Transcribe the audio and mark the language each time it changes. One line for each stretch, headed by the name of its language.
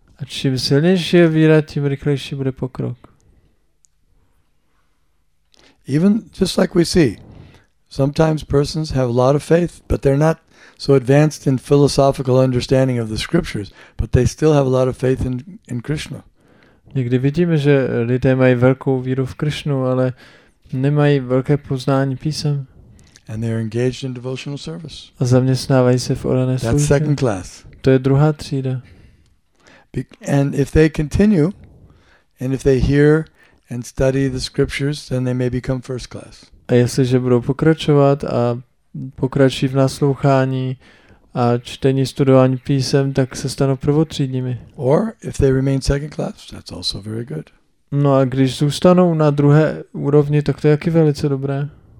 Czech: A čím silnější je víra, tím rychlejší bude pokrok.
English: Even just like we see, sometimes persons have a lot of faith, but they're not so advanced in philosophical understanding of the scriptures, but they still have a lot of faith in Krishna.
Czech: Někdy vidíme, že lidé mají velkou víru v Krishnu, ale nemají velké poznání písem.
English: And they're engaged in devotional service.
Czech: A zaměstnávají se v orané službě.
English: That's second class.
Czech: To je druhá třída.
English: And if they continue, and if they hear and study the scriptures, then they may become first class.
Czech: A jestliže budou pokračovat a pokračují v naslouchání a čtení, studování písem, tak se stanou prvotřídními.
English: Or if they remain second class, that's also very good.
Czech: No a když zůstanou na druhé úrovni, tak to je taky velice dobré.